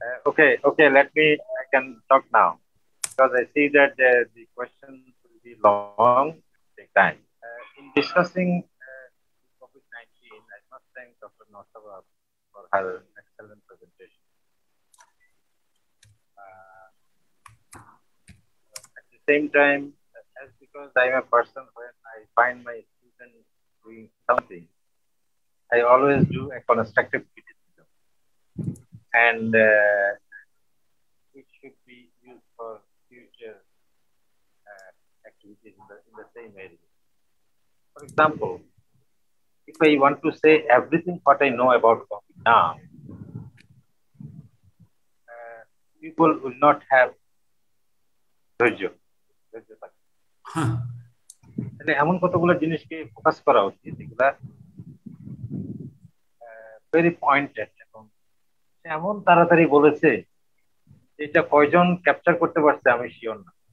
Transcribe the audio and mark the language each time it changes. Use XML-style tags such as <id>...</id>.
<en>Okay okay, let me, I can talk now because I see that the question will be long, take time in discussing COVID 19। I must thank doctor Nsaba for her excellent presentation. Same time, as because I am a person when I find my student doing something, I always do a constructive criticism, and it should be used for future activities in the same area. For example, if I want to say everything what I know about COVID now, people will not have dhairya.</en> <bn>মানে এমন কতগুলো জিনিসকে focus করা উচিত যেগুলো very pointed, এবং সে এমন তাড়াতাড়ি বলেছে এটা কয়জন ক্যাপচার করতে পারছে আমি শিওর না।</bn>